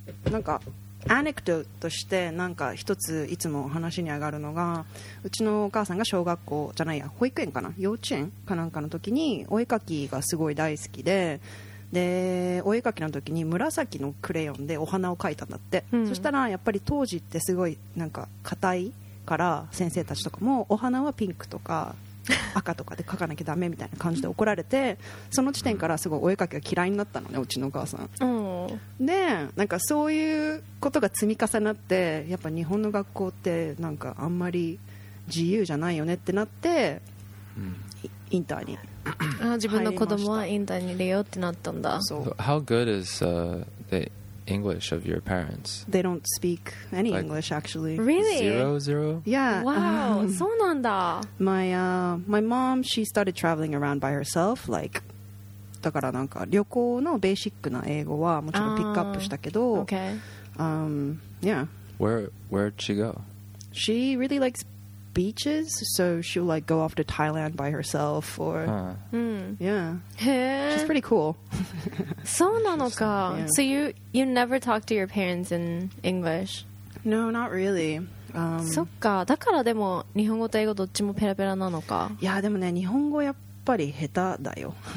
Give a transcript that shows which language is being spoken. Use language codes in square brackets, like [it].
[ja] なんかアネクドとしてなんか一ついつも話に上がるのが、うちのお母さんが小学校じゃないや、保育園かな、幼稚園かなんかの時にお絵描きがすごい大好きで、でお絵描きの時に紫のクレヨンでお花を描いたんだって、うん、そしたらやっぱり当時ってすごいなんか硬いから、先生たちとかもお花はピンクとか赤とかで描かなきゃダメみたいな感じで怒られて、その時点からすごいお絵描きが嫌いになったのね、うちのお母さん。でなんかそういうことが積み重なって、やっぱ日本の学校ってなんかあんまり自由じゃないよねってなって、うん、インターに自分の子供はインターに入れようってなったんだ。そう。 [en] How good is the English of your parents? They don't speak any like, English actually. Really? Zero, zero? Yeah. Wow, so [ja] なんだ。 [en] My mom, she started traveling around by herself, like, [ja] だからなんか旅行のベーシックな英語はもちろんピックアップしたけど、 [en] okay. Yeah. Where'd she go? She really likes beaches, so she'll like go off to Thailand by herself or、 huh. Yeah. She's pretty cool. [ja] そうなのか。 [en] So you never talk to your parents in English? No, not really. [ja] そっか。だからでも日本語と英語どっちもペラペラなのか。いやでもね、日本語やっぱり下手だよ。